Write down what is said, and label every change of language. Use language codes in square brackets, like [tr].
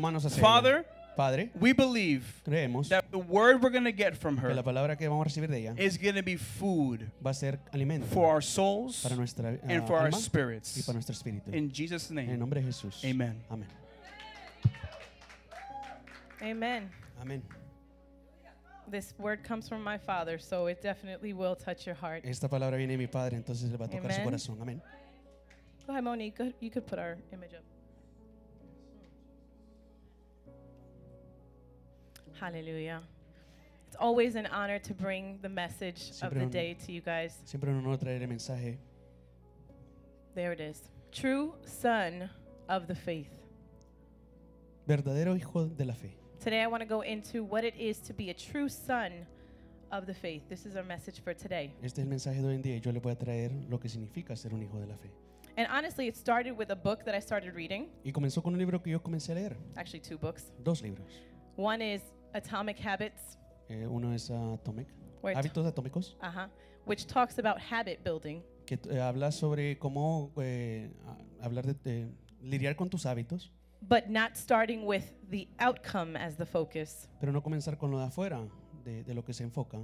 [en] Father, we believe that the word we're going to get from her is going to be food for our souls and for our spirits. In Jesus' name, amen. Amen. Amen. This word comes from my father, so it definitely will touch your heart. [es] Esta palabra viene de mi padre, entonces le va a tocar su corazón. [en] Amen. Go ahead, Moni. You could put our image up. Hallelujah. It's always an honor to bring the message of the day to you guys. [es] Siempre un honor traer el mensaje. [en] There it is. True son of the faith. [es] Verdadero hijo de la fe. [en] Today I want to go into what it is to be a true son of the faith. This is our message for today. [es] Este es el mensaje de hoy en día. Yo le voy a traer lo que significa ser un hijo de la fe. [en] And honestly, it started with a book that I started reading. [es] Y comenzó con un libro que yo comencé a leer. [en] Actually, two books. [es] Dos libros. [en] One is Atomic Habits. [es] Uno es Atomic. Hábitos atómicos. [en] Uh-huh. Which talks about habit building. [es] Que habla sobre cómo hablar de lidiar con tus hábitos. [en] But not starting with the outcome as the focus. [es] Pero no comenzar con lo de afuera, de lo que se enfoca.